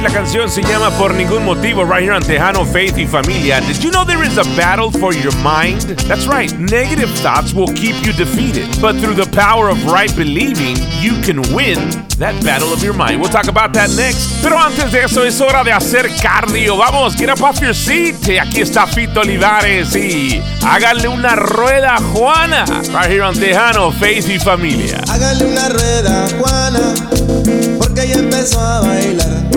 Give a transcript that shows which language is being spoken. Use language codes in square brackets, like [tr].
[es] La canción se llama Por Ningún Motivo, [en] right here on [es] Tejano, Faith y Familia. [en] Did you know there is a battle for your mind? That's right. Negative thoughts will keep you defeated. But through the power of right believing, you can win that battle of your mind. We'll talk about that next. [es] Pero antes de eso, es hora de hacer cardio. Vamos, [en] get up off your seat. [es] Aquí está Fito Olivares y hágale una rueda, Juana. [en] Right here on Tejano, Faith y Familia. [es] Hágale una rueda, Juana. Porque ella empezó a bailar.